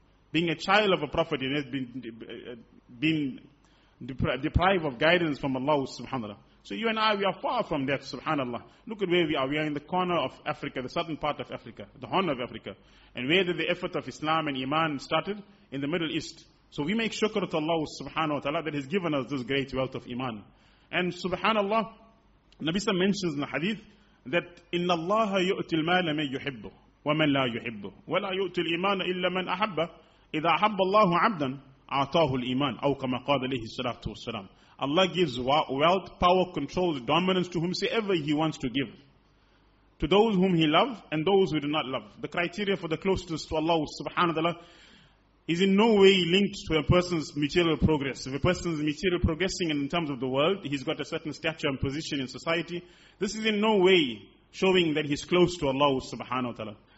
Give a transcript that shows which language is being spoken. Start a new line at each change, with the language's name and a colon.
English: Being a child of a prophet and yet being deprived of guidance from Allah subhanahu wa ta'ala. So you and I, we are far from that, subhanAllah. Look at where we are. We are in the corner of Africa, the southern part of Africa, the Horn of Africa. And where did the effort of Islam and Iman started? In the Middle East. So we make shukr to Allah subhanahu wa ta'ala that has given us this great wealth of Iman. And subhanAllah, Nabi Sallam mentions in the hadith that
Arabic: إِنَّ اللَّهَ يُؤْتِ الْمَالَ مَنْ يُحِبُّ وَمَنْ لَا يُحِبُّ وَلَا يُؤْتِ الْإِيمَانَ إِلَّا مَنْ أَحَبَّ إِذَا أَحَبَّ اللَّهُ عَبْدًا أَعْطَاهُ الْإِيمَانَ أَوْ كَمَا قَالَ عَلَيْهِ الصَّلَاةُ وَالسَّلَامُ.
English: Allah gives wealth, power, control, dominance to whomsoever He wants to give. To those whom He loves and those who do not love. The criteria for the closeness to Allah subhanahu wa ta'ala is in no way linked to a person's material progress. If a person's material progressing in terms of the world, he's got a certain stature and position in society, this is in no way showing that he's close to Allah subhanahu wa ta'ala.